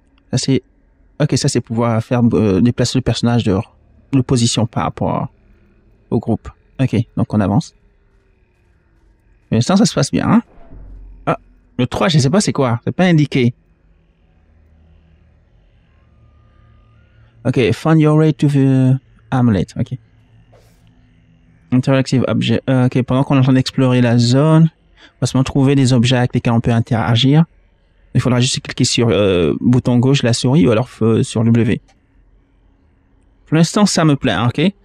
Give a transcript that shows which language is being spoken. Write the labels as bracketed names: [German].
[French] Ça c'est, ok, ça c'est pouvoir faire déplacer le personnage dehors, de position par rapport au groupe. Ok, donc on avance. Mais sans ça se passe bien. Hein? Ah, le 3, je sais pas c'est quoi, c'est pas indiqué. [English] Ok, find your way to the Hamlet. Ok. Interactive object. [French] Ok, pendant qu'on est en train d'explorer la zone, on va seulement trouver des objets avec lesquels on peut interagir. Il faudra juste cliquer sur bouton gauche la souris ou alors sur W. Pour l'instant, ça me plaît. Ok.